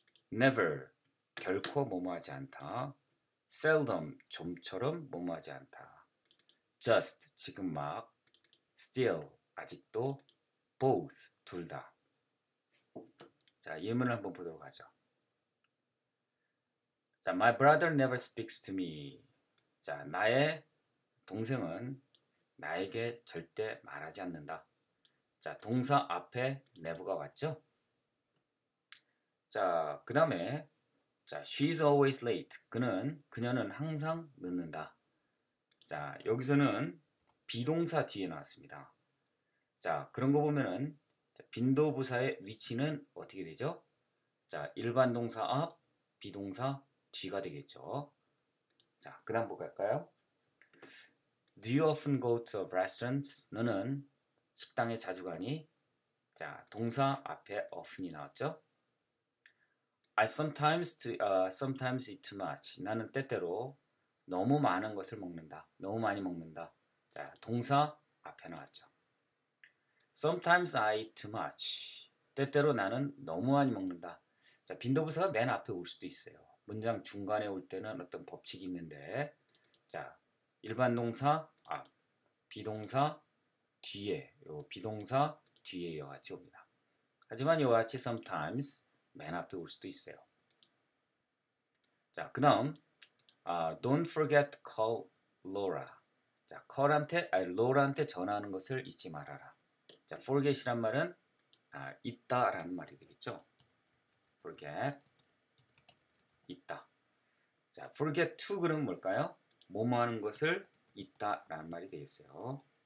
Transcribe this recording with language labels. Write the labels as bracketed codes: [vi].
[ko] never 결코 뭐뭐하지 않다, seldom 좀처럼 뭐뭐하지 않다, just 지금 막, still 아직도, both 둘 다. 자, 예문을 한번 보도록 하죠. [en] 자, my brother never speaks to me. [ko] 자, 나의 동생은 나에게 절대 말하지 않는다. 자, 동사 앞에 never가 왔죠? 자, 그 다음에, 자, [en] she's always late. [ko] 그녀는 항상 늦는다. 자, 여기서는 비동사 뒤에 나왔습니다. 자, 그런 거 보면은 빈도부사의 위치는 어떻게 되죠? 자, 일반 동사 앞, 비동사 뒤가 되겠죠. 자, 그 다음 볼까요? [en] Do you often go to a restaurant? [ko] 너는 식당에 자주 가니? 자, 동사 앞에 often이 나왔죠? [en] Sometimes eat too much. [ko] 나는 때때로 너무 많은 것을 먹는다. 너무 많이 먹는다. 자, 동사 앞에 나왔죠. [en] Sometimes I eat too much. [ko] 때때로 나는 너무 많이 먹는다. 자, 빈도부사가 맨 앞에 올 수도 있어요. 문장 중간에 올 때는 어떤 법칙이 있는데, 자, 일반 동사 앞, 비동사 뒤에, 요 비동사 뒤에 이와 같이 옵니다. 하지만 이와 같이 sometimes 맨 앞에 올 수도 있어요. 자, 그 다음, [en] don't forget to call Laura. [ko] 자, Laura한테 전화하는 것을 잊지 말아라. 자, forget이란 말은 있다라는 말이 되겠죠. forget 있다. 자, forget to 그러면 뭘까요? 뭐뭐 하는 것을 잊다라는 말이 되겠어요.